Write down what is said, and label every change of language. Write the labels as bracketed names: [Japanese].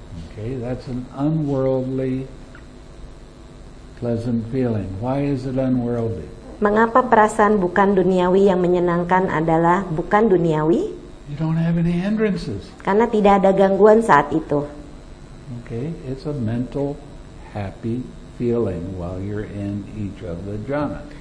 [English] Okay, that's an unworldly pleasant feeling. Why is it unworldly? [Indonesian] Mengapa perasaan bukan duniawi yang menyenangkan adalah bukan duniawi? [English] You don't have any hindrances. [Indonesian] Karena tidak ada gangguan saat itu. [English] Okay, it's a mental happy feeling while you're in each of the jhana.